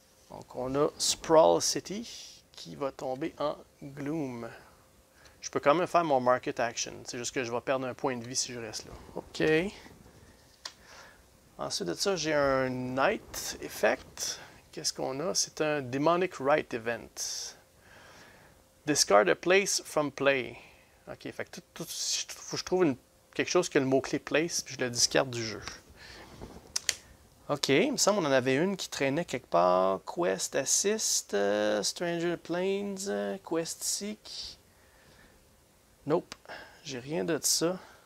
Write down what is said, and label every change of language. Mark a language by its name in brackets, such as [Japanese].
[French] Donc, on a Sprawl City qui va tomber en gloom. Je peux quand même faire mon market action. C'est juste que je vais perdre un point de vie si je reste là. Ok. Ensuite de ça, j'ai un night effect. Qu'est-ce qu'on a? C'est un demonic rite event. [English] Discard a place from play. [French] Ok, fait que faut que je trouve quelque chose qui a le mot-clé place, puis je le discarde du jeu. Ok, il me semble qu'on en avait une qui traînait quelque part. Quest Assist, Stranger Plains, Quest Seek. Nope, j'ai rien de ça.